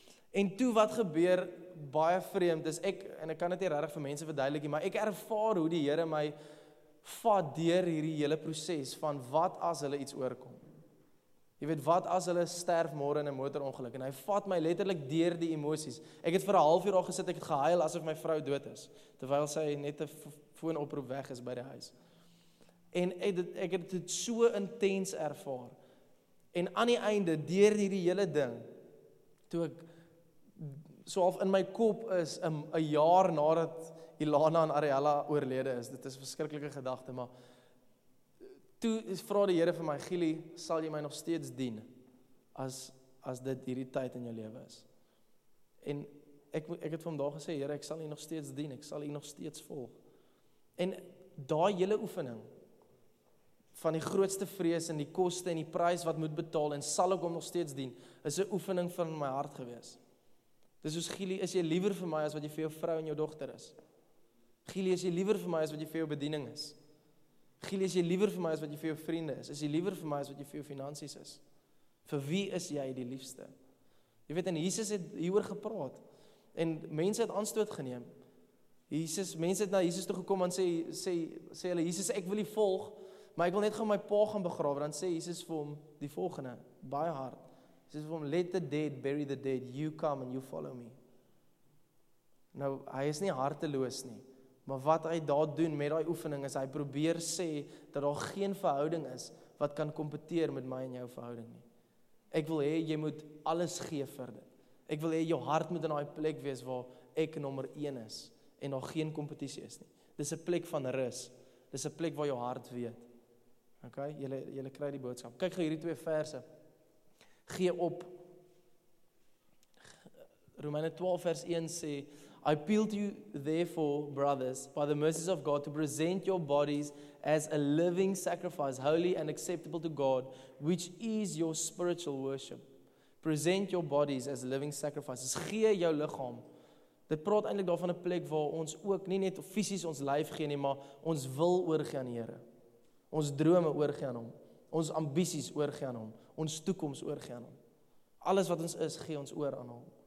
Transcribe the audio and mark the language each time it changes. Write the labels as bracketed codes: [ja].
[af] En toe wat gebeur, baie vreemd, is ek, en ek kan dit nie regtig vir mense verduidelik nie, maar ek ervaar hoe die Here my vat deur hierdie hele proses van wat as hulle iets oorkom. Jy weet, wat as hulle sterf môre in 'n motorongeluk, en hy vat my letterlik deur die emosies. Ek het vir 'n halfuur al gesit, ek het gehuil asof my vrou dood is, terwyl sy net 'n foonoproep weg is by die huis. En ek het so intens ervaar. En aan die einde, deur hierdie hele ding, toe ek so half in my kop is, 'n jaar nadat Ilana en Ariella oorlede is, dit is 'n verskriklike gedagte, maar toe vra die Here vir my, Gili, sal jy my nog steeds dien as dit hierdie tyd in jou lewe is? En ek het vir hom daar gesê, Here, ek sal U nog steeds dien, ek sal U nog steeds volg. En daai hele oefening van die grootste vrees en die koste en die prys wat moet betaal en sal ek hom nog steeds dien, is 'n oefening van my hart gewees. Dis soos, Gili, is jy liewer vir my as wat jy vir jou vrou en jou dogter is? Gili, is jy liewer vir my as wat jy vir jou bediening is? Gili, is jy liewer vir my as wat jy vir jou vriende is? Is jy liewer vir my as wat jy vir jou finansies is? Vir wie is jy die liefste? Jy weet, en Jesus het hieroor gepraat. En mense het aanstoot geneem. Mense het na Jesus toe gekom en sê hulle, Jesus, ek wil U volg, maar ek wil net gaan my pa gaan begrawe. Dan sê Jesus vir hom die volgende, baie hard. Jesus vir hom, [en] let the dead bury the dead. You come and you follow me. [af] Nou, hy is nie harteloos nie. Maar wat hy daar doen met daai oefening is, hy probeer sê dat daar geen verhouding is wat kan kompeteer met my en jou verhouding nie. Ek wil hê jy moet alles gee vir dit. Ek wil hê jou hart moet in daai plek wees waar ek nommer 1 is en daar geen kompetisie is nie. Dis 'n plek van rus. Dis 'n plek waar jou hart weet. Okay, jy kry die boodskap. Kyk gou hierdie twee verse. Gee op. Romeine 12 vers 1 sê, [en] I appeal to you, therefore, brothers, by the mercies of God, to present your bodies as a living sacrifice, holy and acceptable to God, which is your spiritual worship. Present your bodies as a living sacrifice. [af] Gee jou liggaam. Dit praat eintlik daarvan 'n plek waar ons ook nie net fisies ons lyf gee nie, maar ons wil oorgee aan die Here. Ons drome oorgee aan hom. Ons ambisies oorgee aan hom. Ons toekoms oorgee aan hom. Alles wat ons is, gee ons oor aan hom.